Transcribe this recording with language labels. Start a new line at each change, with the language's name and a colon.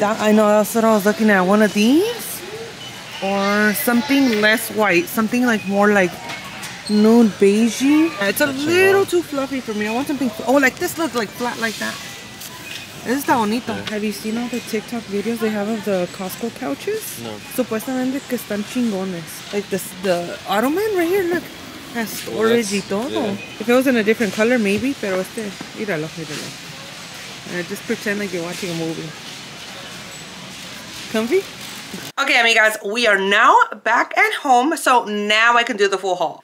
English: that, I know, that's what I was looking at. One of these or something less white, something like more like nude beigey. It's a little too fluffy for me. I want something, oh, like this looks like flat like that. This is bonito. Yeah. Have you seen all the TikTok videos they have of the Costco couches? No.
Spanish: Supuestamente que están chingones.
English: Like this, the ottoman right here, look. Has storage, well,
Spanish: y todo.
English: Yeah. If it was in a different color, maybe,
Spanish: pero este, míralo, míralo.
English: Just pretend like you're watching a movie. Comfy? Okay, amigas, we are now back at home, so now I can do the full haul.